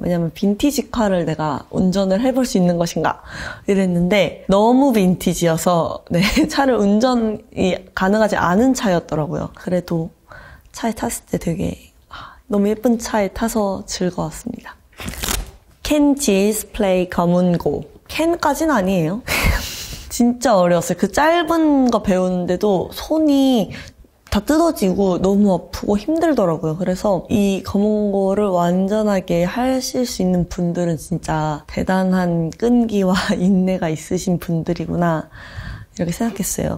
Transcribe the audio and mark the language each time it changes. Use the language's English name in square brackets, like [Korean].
[Korean] 왜냐면 빈티지카를 내가 운전을 해볼 수 있는 것인가 이랬는데 너무 빈티지여서 네, 차를 운전이 가능하지 않은 차였더라고요. 그래도 차에 탔을 때 되게 너무 예쁜 차에 타서 즐거웠습니다. [English] Can Jisoo play 검은고? [Korean] Can까진 아니에요. 진짜 어려웠어요. 그 짧은 거 배우는데도 손이 다 뜯어지고 너무 아프고 힘들더라고요. 그래서 이 검은고를 완전하게 하실 수 있는 분들은 진짜 대단한 끈기와 인내가 있으신 분들이구나 이렇게 생각했어요.